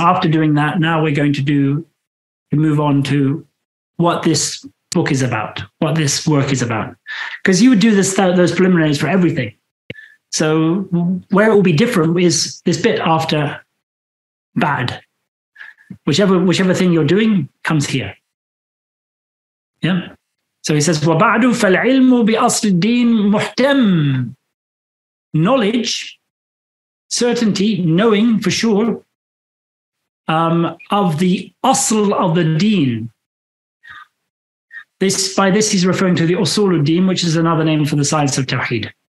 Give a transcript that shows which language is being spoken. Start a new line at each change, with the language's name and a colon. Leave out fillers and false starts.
English: After doing that, now we're going to move on to what this book is about, what this work is about. Because you would do this, those preliminaries for everything. So where it will be different is this bit after bad. Whichever thing you're doing comes here. Yeah. So he says,
Arabic: وَبَعْدُ فَالْعِلْمُ بِأَصْلِ الدِّينِ مُحْتَمٌ.
English: Knowledge, certainty, knowing for sure, of the asl of the deen. This, by this he's referring to the usul al-deen, which is another name for the science of tawheed.